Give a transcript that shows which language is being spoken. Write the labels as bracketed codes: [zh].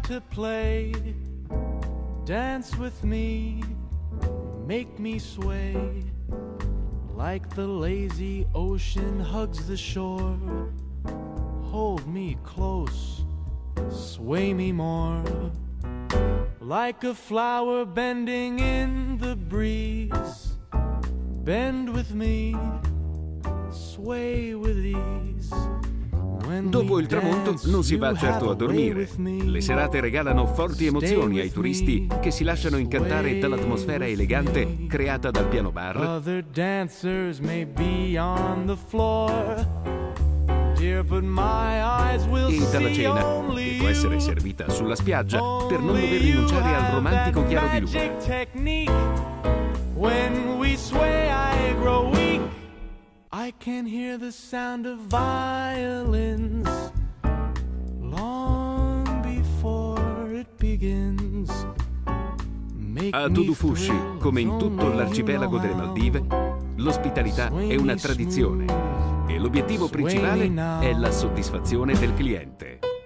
[en] Play, dance with me, make me sway, like the lazy ocean hugs the shore, hold me close, sway me more, like a flower bending in the breeze, bend with me, sway with ease. [it] Dopo il tramonto non si va certo a dormire. Le serate regalano forti emozioni ai turisti che si lasciano incantare dall'atmosfera elegante creata dal piano bar. [en] Other dancers may be on the floor, dear, but my eyes will see. [it] E dalla cena, che può essere servita sulla spiaggia per non dover rinunciare al romantico chiaro di luna. [en] When we sway I grow weak, I can hear the sound of violins long before it begins. [it] A Tudufushi, come in tutto l'arcipelago delle Maldive, l'ospitalità è una tradizione e l'obiettivo principale è la soddisfazione del cliente.